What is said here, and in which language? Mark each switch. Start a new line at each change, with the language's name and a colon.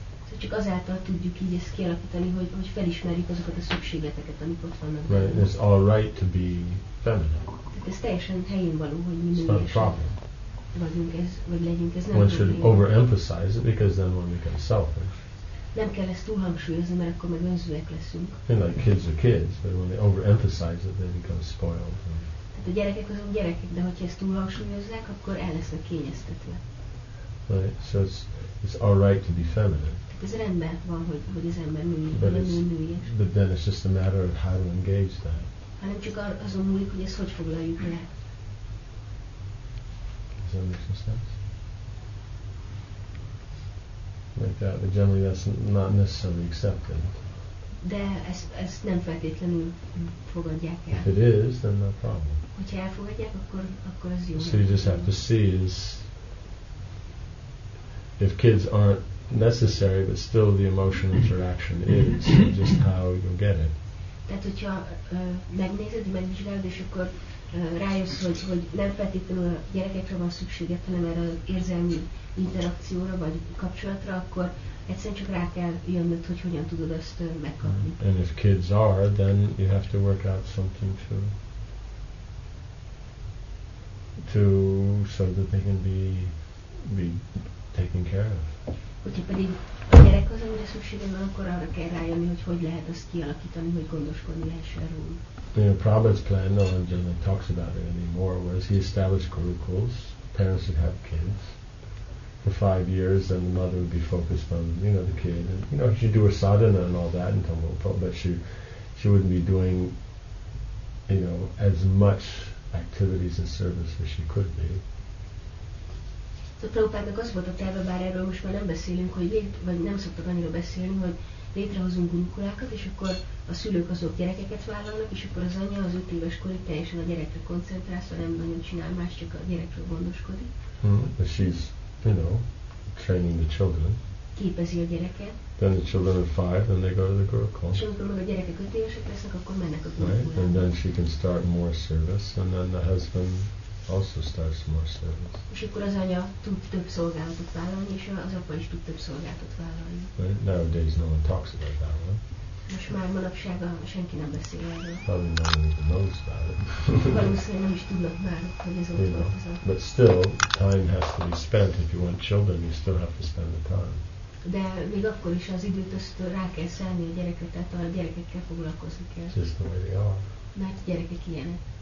Hungarian: So csak azáltal tudjuk így ezt kialakítani, hogy felismerjük azokat a szükségleteket, amik ott vannak.
English: Right, it's all right to be feminine.
Hungarian: Tehát ez teljesen helyén való, hogy mi vagyunk ez, vagy legyünk ez.
English: One should overemphasize it, because then one becomes selfish.
Hungarian: Nem kell ezt túlhangsúlyozni, mert akkor meg önzőek leszünk.
English: And like kids are kids, but when they overemphasize it, they become spoiled.
Hungarian: Tehát a gyerekek azok gyerekek, de hogyha ezt túlhangsúlyozzák, akkor el lesznek kényeztetve.
English: Right. So it's all right to be feminine.
Hungarian: Ez rendben van, hogy az ember női.
English: But then it's just a matter of how to engage that.
Hungarian: Hanem csak azon múlik, hogy ezt hogy foglaljuk le.
English: Does that make sense? Like that, but generally that's not necessarily accepted.
Hungarian: De ezt nem feltétlenül fogadják el.
English: If it is, then no problem.
Hungarian: Hogyha elfogadják, akkor az jó.
English: So you just have to see is if kids aren't necessary, but still the emotional interaction is just how you get it.
Hungarian: Tehát hogyha megnézed, megvizsgálod, és akkor rájössz, hogy nem feltétlenül a gyerekekre van szükséged, hanem erre az érzelmi interakcióra vagy kapcsolatra, akkor egyszerűen csak rá kell jönnöd, hogy hogyan tudod ezt megkapni.
English: And if kids are, then you have to work out something to so that they can be taken care of.
Hungarian: Hogyha pedig a gyerek az, amire szükségem van, akkor arra kell rájönni, hogy lehet azt kialakítani, hogy gondoskodni lehessen róla.
English: In Prabhupada's plan, no one generally talks about it anymore, whereas he established gurukuls, parents would have kids for 5 years, and the mother would be focused on, you know, the kid. And, you know, she'd do her sadhana and all that in Tamalpa, but she wouldn't be doing, you know, as much activities and service as she could be.
Hungarian: A Prabhupádnak az volt a terve, bár erről most már nem beszélünk, vagy nem szoktak annyira beszélni, hogy létrehozunk gurukulákat, és akkor a szülők azok gyerekeket vállalnak, és akkor az anya az 5 éves korig teljesen a gyerekre koncentrál, szóval nem nagyon csinál más, csak a gyerekről gondoskodik.
English: But she's, you know, training the children.
Hungarian: Képezi a gyereket.
English: Then the children are 5, then they go to the gurukul.
Hungarian: És amikor meg a gyerekek 5 évesek lesznek, akkor mennek a gurukulába.
English: Right? And then she can start more service, and then the husband also starts more service.
Hungarian: És akkor az anya tud több szolgálatot vállalni, és az apa is tud több szolgálatot vállalni.
English: But nowadays no one talks about that one.
Hungarian: Most már manapság senki nem beszél erről.
English: Probably no one even knows about it.
Hungarian: Valószínűleg nem is tudnak már, hogy ez ott változott.
English: But still, time has to be spent. If you want children, you still have to spend the time.
Hungarian: De még akkor is az időt azt rá kell szállni a gyereket, tehát a gyerekekkel foglalkozni kell.
English: Just the way they are.
Hungarian: Mert a gyerekek ilyenek.